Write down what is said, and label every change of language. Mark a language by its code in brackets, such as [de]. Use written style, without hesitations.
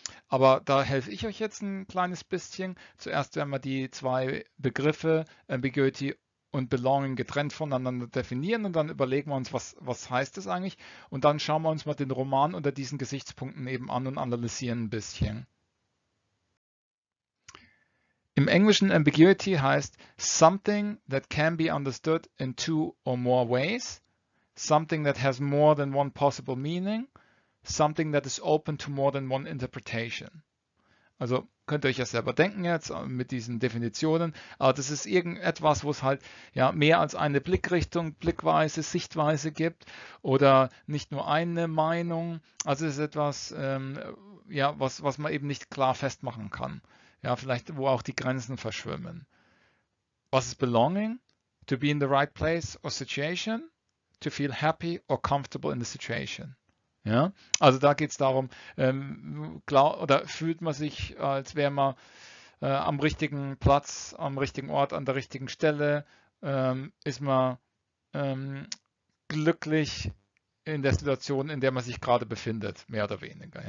[de] Aber da helfe ich euch jetzt ein kleines bisschen. Zuerst werden wir die zwei Begriffe Ambiguity und Belonging getrennt voneinander definieren und dann überlegen wir uns, was heißt das eigentlich? Und dann schauen wir uns mal den Roman unter diesen Gesichtspunkten eben an und analysieren ein bisschen. Im Englischen Ambiguity heißt [en] something that can be understood in two or more ways, something that has more than one possible meaning, something that is open to more than one interpretation. [de] Also könnt ihr euch ja selber denken jetzt mit diesen Definitionen, aber das ist irgendetwas, wo es halt ja mehr als eine Blickrichtung, Blickweise, Sichtweise gibt oder nicht nur eine Meinung. Also es ist etwas, was man eben nicht klar festmachen kann. Ja, vielleicht wo auch die Grenzen verschwimmen. Was ist Belonging? [en] To be in the right place or situation? To feel happy or comfortable in the situation? [de] Ja, also da geht es darum, oder fühlt man sich, als wäre man am richtigen Platz, am richtigen Ort, an der richtigen Stelle, ist man glücklich in der Situation, in der man sich gerade befindet, mehr oder weniger.